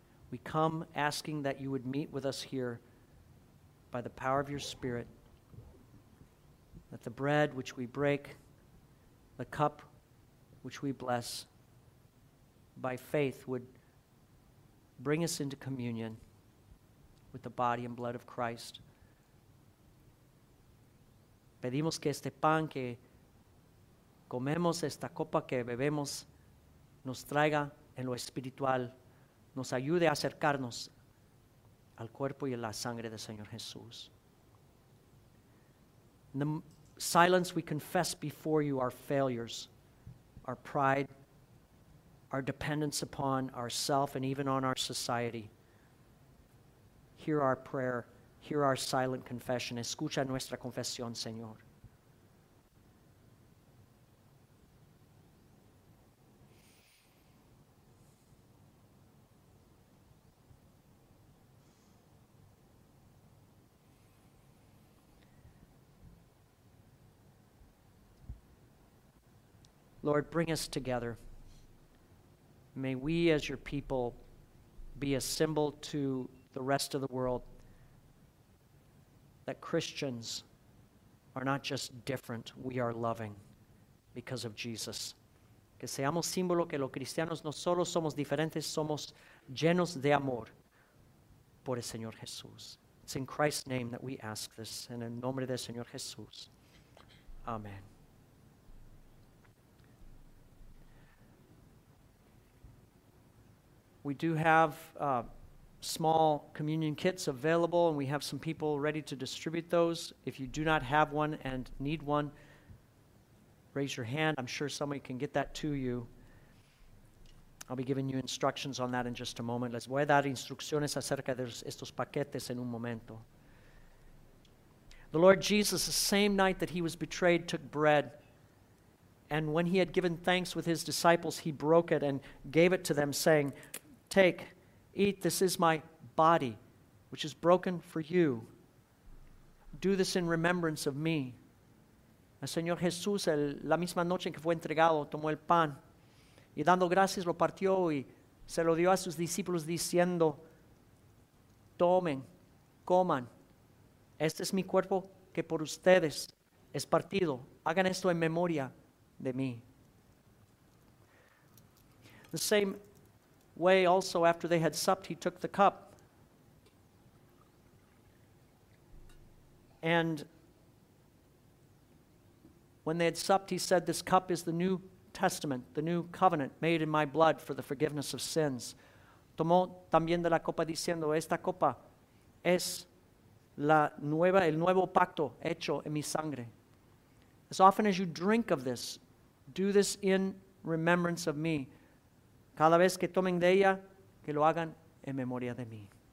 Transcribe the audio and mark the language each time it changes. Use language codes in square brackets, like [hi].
[en] We come asking that you would meet with us here by the power of your Spirit, that the bread which we break, the cup which we bless, by faith would bring us into communion with the body and blood of Christ. [es] Pedimos que este pan que comemos, esta copa que bebemos, nos traiga en lo espiritual, nos ayude a acercarnos al cuerpo y a la sangre del Señor Jesús. [en] In the silence, we confess before you our failures, our pride, our dependence upon ourselves and even on our society. Hear our prayer. Hear our silent confession. [es] Escucha nuestra confesión, Señor. [en] Lord, bring us together. May we as your people be a symbol to the rest of the world that Christians are not just different, we are loving because of Jesus. [es] Que seamos símbolo que los cristianos no solo somos diferentes, somos llenos de amor por el Señor Jesús. [en] It's in Christ's name that we ask this, and in [es] nombre del Señor Jesús. [en] Amen. We do have small communion kits available, and we have some people ready to distribute those. If you do not have one and need one, raise your hand. I'm sure somebody can get that to you. I'll be giving you instructions on that in just a moment. [es] Les voy a dar instrucciones acerca de estos paquetes en un momento. [en] The Lord Jesus, the same night that he was betrayed, took bread. And when he had given thanks with his disciples, he broke it and gave it to them, saying, "Take, eat, this is my body, which is broken for you. Do this in remembrance of me." [es] El Señor Jesús, la misma noche en que fue entregado, tomó el pan, y dando gracias lo partió y se lo dio a sus discípulos diciendo, "Tomen, coman, este es mi cuerpo que por ustedes es partido. Hagan esto en memoria de mí." [en] The same way also, after they had supped, he took the cup. And when they had supped, he said, "This cup is the new testament, the new covenant made in my blood for the forgiveness of sins." [es] Tomó también de la copa diciendo, "Esta copa es la nueva, el nuevo pacto hecho en mi sangre." [en] As often as you drink of this, do this in remembrance of me. [es] Cada vez que tomen de ella, que lo hagan en memoria de mí.